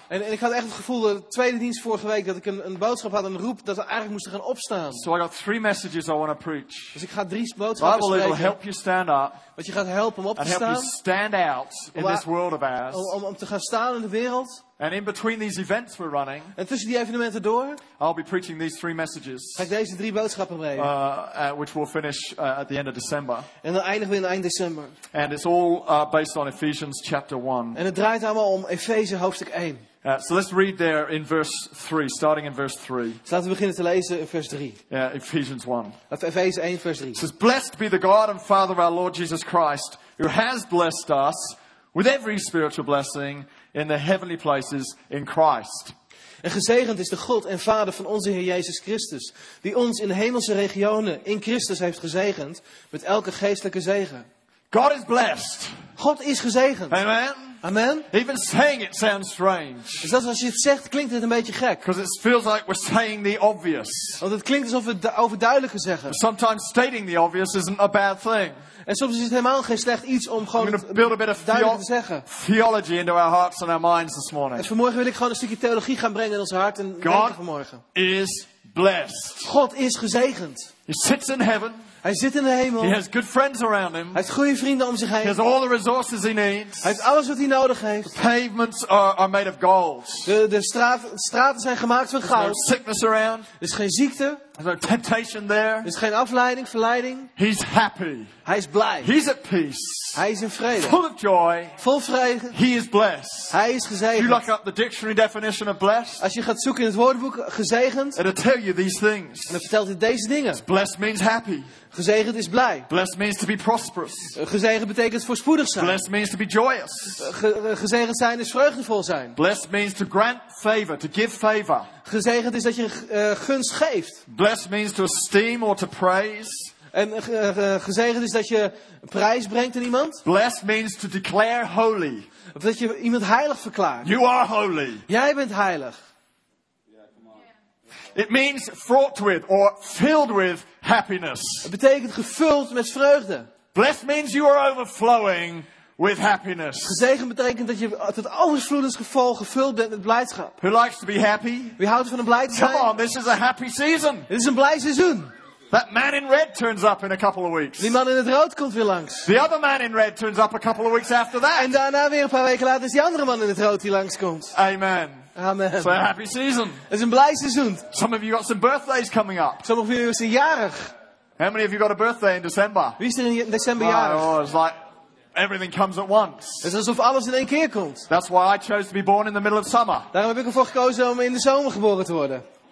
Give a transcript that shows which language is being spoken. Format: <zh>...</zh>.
<nl>En ik had echt het gevoel de tweede dienst vorige week dat ik een boodschap had, een roep dat we eigenlijk moesten gaan opstaan.</nl> <en>So I got three messages I want to preach.</en> <nl>Dus ik ga drie boodschappen spreken.</nl> <en>I will help you stand up.</en> <nl>Wat je gaat helpen om op te</nl> <en>and</en> <nl>staan.</nl> <en>And help you stand out in this world of ours.</en> <nl>Om te gaan staan in de wereld.</nl> <en>And in between these events we're running,</en> <nl>en tussen die evenementen door,</nl> <en>I'll be preaching these three messages,</en> <nl>ga ik deze drie boodschappen brengen,</nl> <en>which we'll finish at the end of December.</en> <nl>En dan eindigen we in eind december.</nl> <en>And it's all based on Ephesians chapter 1.</en> <nl>En het draait allemaal om Efeze hoofdstuk 1.</nl> <en>So let's read there in verse 3, starting in verse 3.</en> <nl>Laten we beginnen te lezen in vers 3.</nl> <en>Ephesians 1.</en> <nl>Efeze 1, vers 3.</nl> <en>It says, "Blessed be the God and Father of our Lord Jesus Christ, who has blessed us with every spiritual blessing in the heavenly places in Christ."</en> <nl>En gezegend is de God en Vader van onze Heer Jezus Christus, die ons in hemelse regionen in Christus heeft gezegend met elke geestelijke zegen.</nl> <en>God is blessed.</en> <nl>God is gezegend.</nl> <en>Amen.</en> <nl>Amen.</nl> <en>Even saying it sounds strange.</en> <nl>Dus dat als je het zegt, klinkt het een beetje gek.</nl> <en>Because it feels like we're saying the obvious.</en> <nl>Want het klinkt alsof we het overduidelijker zeggen.</nl> <en>But sometimes stating the obvious isn't a bad thing.</en> <nl>En soms is het helemaal geen slecht iets om gewoon duidelijk te zeggen.</nl> <en>Theology into our hearts and our minds this morning.</en> <nl>Dus vanmorgen wil ik gewoon een stukje theologie gaan brengen in ons hart en denken vanmorgen.</nl> <en>God is blessed.</en> <nl>God is gezegend.</nl> <en>He sits in heaven.</en> <nl>Hij zit in de hemel.</nl> <en>He has good friends around him.</en> <nl>Hij heeft goede vrienden om zich heen.</nl> <en>He has all the resources he needs.</en> <nl>Hij heeft alles wat hij nodig heeft.</nl> <en>The pavements are made of gold.</en> <nl>De straten zijn gemaakt van goud.</nl> <en>There's no sickness around.</en> <nl>Er is geen ziekte.</nl> <en>There's no temptation there.</en> <nl>Er is geen afleiding, verleiding.</nl> <en>He's happy.</en> <nl>Hij is blij.</nl> <en>He's at peace.</en> <nl>Hij is in vrede.</nl> <en>Full of joy.</en> <nl>Vol vrede.</nl> <en>He is blessed.</en> <nl>Hij is gezegend.</nl> <en>You look up the dictionary definition of blessed.</en> <nl>Als je gaat zoeken in het woordenboek gezegend.</nl> <en>It'll tell you these things.</en> <nl>En dan vertelt het deze dingen.</nl> <en>It's blessed means happy.</en> <nl>Gezegend is blij.</nl> <en>Blessed means to be prosperous.</en> <nl>Gezegend betekent voorspoedig zijn.</nl> <en>Blessed means to be joyous.</en> <nl>Gezegend zijn is vreugdevol zijn.</nl> <en>Blessed means to grant favor, to give favor.</en> <nl>Gezegend is dat je gunst geeft.</nl> <en>Blessed means to esteem or to praise.</en> <nl>En gezegend is dat je prijs brengt aan iemand.</nl> <en>Blessed means to declare holy.</en> <nl>Of dat je iemand heilig verklaart.</nl> <en>You are holy.</en> <nl>Jij bent heilig.</nl> <en>It means fraught with or filled with happiness.</en> <nl>Het betekent gevuld met vreugde.</nl> <en>Blessed means you are overflowing with happiness.</en> <nl>Gezegend betekent dat je tot overvloedens gevuld bent met blijdschap.</nl> <en>Who likes to be happy?</en> <nl>Wie houdt van een blij te zijn?</nl> <en>Come on, this is a happy season.</en> <nl>Dit is een blij seizoen.</nl> <en>That man in red turns up in a couple of weeks.</en> <nl>Die man in het rood komt weer langs.</nl> <en>The other man in red turns up a couple of weeks after that.</en> <nl>En daarna weer een paar weken later is die andere man in het rood die langs komt.</nl> <en>Amen.</en> <nl>Amen.</nl> <en>So a happy season.</en> <nl>Het is een blij seizoen.</nl> <en>Some of you got some birthdays coming up.</en> <nl>Sommige van jullie zijn jarig.</nl> <en>How many of you got a birthday in December?</en> <nl>Wie is er in december jarig?</nl> <en>Oh, it's like everything comes at once.</en> <nl>Het is alsof alles in één keer komt.</nl> <en>That's why I chose to be born in the middle of summer.</en> <nl>Daarom heb ik ervoor gekozen om in de zomer geboren te worden.</nl>